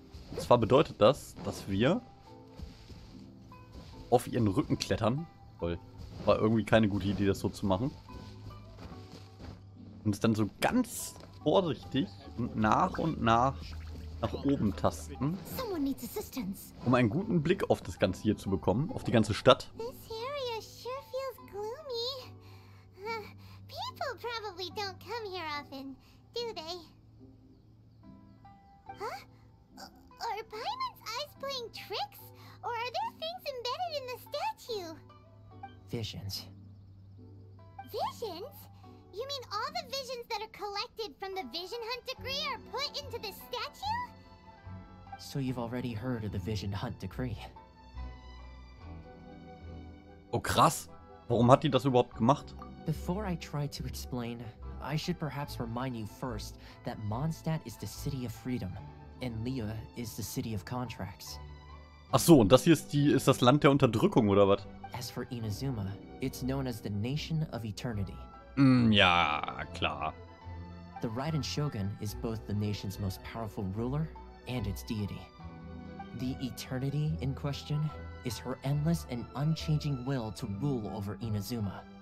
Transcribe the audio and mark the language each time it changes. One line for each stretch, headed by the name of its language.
German: Und zwar bedeutet das, dass wir auf ihren Rücken klettern. Toll. War irgendwie keine gute Idee, das so zu machen. Und es dann so ganz vorsichtig und nach nach oben tasten. Um einen guten Blick auf das Ganze hier zu bekommen. Auf die ganze Stadt.
English: This area sure feels gloomy. People probably don't come here often, do they? Huh? Are Paimon's eyes playing tricks? Or are there things embedded in the statue? Visions. Visions? You mean all the visions that are collected from the Vision Hunt Decree are put into the statue? So you've already heard of the Vision Hunt Decree.
German: Oh krass! Warum hat die das überhaupt gemacht?
English: Before I try to explain, I should perhaps remind you first that Mondstadt is the city of freedom. And Leia is the city of contracts.
German: Ach so, und das hier ist das Land der Unterdrückung, oder was?
English: As for Inazuma, it's known as the nation of eternity.
German: Ja, klar.
English: The Raiden Shogun is both the nation's most powerful ruler and its deity. The eternity in question is her endless and unchanging will to rule over Inazuma.